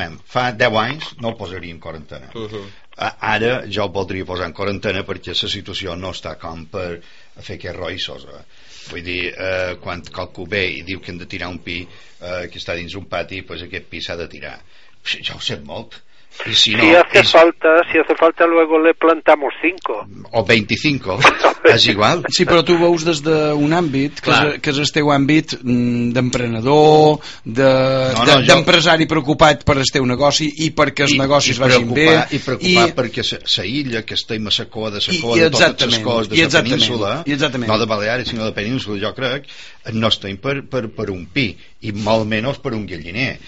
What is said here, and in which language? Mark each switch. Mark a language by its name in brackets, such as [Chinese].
[Catalan] Fa 10 anys no el posaria en quarantena. Ara jo el voldria posar en quarantena perquè la situació no està com per fer que roïssos. Vull dir, quan qualcú ve i diu que hem de tirar un pi que està dins un pati, pues aquest pi s'ha de tirar. Jo ho sap molt. [Spanish] Y si no, si hace falta luego le plantamos 5 [Catalan] o 25, és igual. Sí, però tu veus des d'un àmbit que és el teu àmbit d'emprenedor, d'empresari preocupat per el teu negoci i perquè els negocis vagin bé i preocupat perquè la illa que estem a la cua de totes les coses de la península, no de Balears sinó de península, jo crec no estem per un pi i molt menys per un galliner.